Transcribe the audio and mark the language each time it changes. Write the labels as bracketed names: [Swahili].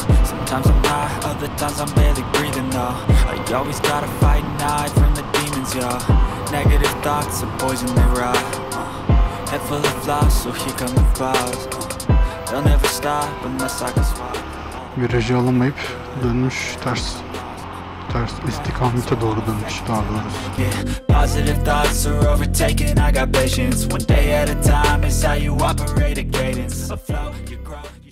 [English] Sometimes I'm high, other times I'm barely breathing though. I always gotta fight and hide from the demons, yo. Negative thoughts are poison they rot. Head full of flaws, so here come the clouds. They'll never stop unless I can swap. [Turkish] Virajı alamayıp dönmüş ters istikamete doğru dönmüş daha doğrusu. [English] Positive thoughts are overtaken, I got patience. One day at a time, it's how you operate a cadence. A flow, you grow.